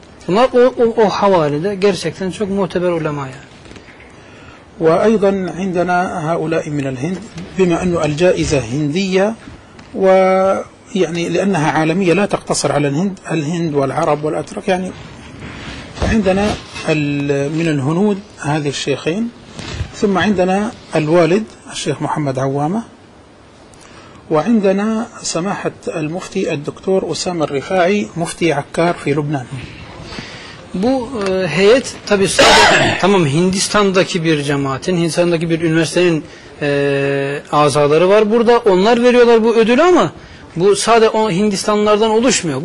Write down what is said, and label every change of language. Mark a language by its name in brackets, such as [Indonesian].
[Turkish] Bunlar o havalide gerçekten çok muteber ulema ya. [Arabic] Ve aydan indena haula'i min el-Hind bima enne el-caize hindiyye ve yani لانها عالميه لا تقتصر على الهند الهند والعرب والاترك يعني عندنا من الهنود هذه الشيخين ثم عندنا الوالد الشيخ محمد عوامه وعندنا سماحه المفتي الدكتور اسامه الرفاعي مفتي عكار في لبنان [Turkish] bu heyet tabii sadece tamam Hindistan'daki bir cemaatin Hindistan'daki bir üniversitenin azaları var burada onlar veriyorlar bu ödülü ama bu sadece Hindistanlılardan oluşmuyor.